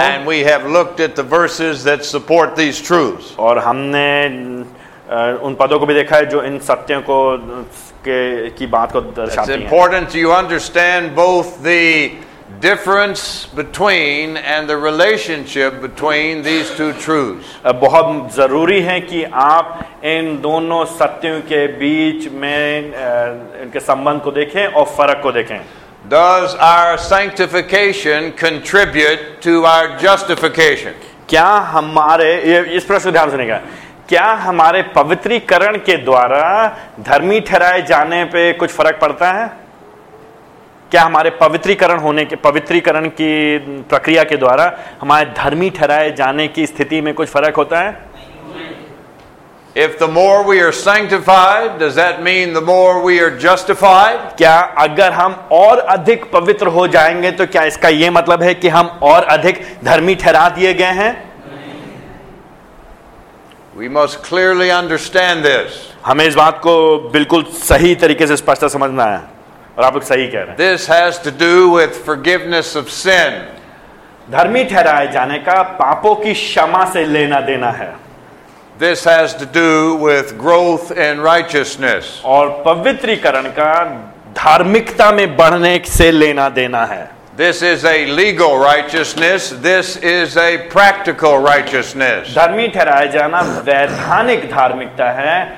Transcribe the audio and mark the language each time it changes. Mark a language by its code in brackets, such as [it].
[en] And we have looked at the verses that support these truths. [hi] और हमने उन पदों को भी देखा है जो इन सत्यों को की बात को दर्शाती हैं. [en] It's important to you understand both the difference between and the relationship between these two truths. [hi] बहुत जरूरी है कि आप इन दोनों सत्यों के बीच में इनके संबंध को देखें और फर्क को देखें. [en] Does our sanctification contribute to our justification? [hi] क्या हमारे इस प्रश्न को ध्यान से सुनिएगा. क्या हमारे पवित्रीकरण के द्वारा धर्मी ठहराए जाने पे कुछ फर्क पड़ता है? क्या हमारे पवित्रीकरण होने के पवित्रीकरण की प्रक्रिया के द्वारा हमारे धर्मी ठहराए जाने की स्थिति में कुछ फर्क होता है? [en] If the more we are sanctified, does that mean the more we are justified? [hi] क्या अगर हम और अधिक पवित्र हो जाएंगे तो क्या इसका यह मतलब है कि हम और अधिक धर्मी ठहरा दिए गए हैं? [en] We must clearly understand this. [hi] हमें इस बात को बिल्कुल सही तरीके से स्पष्ट समझना है. [en] This has to do with forgiveness of sin. [hi] धर्मी ठहराए जाने का पापों की क्षमा से लेना देना है. [en] This has to do with growth in righteousness. [hi] और पवित्रीकरण का धार्मिकता में बढ़ने से लेना देना है. [en] This is a legal righteousness. This is a practical righteousness. [hi] धर्मी ठहराए जाना वैधानिक धार्मिकता है.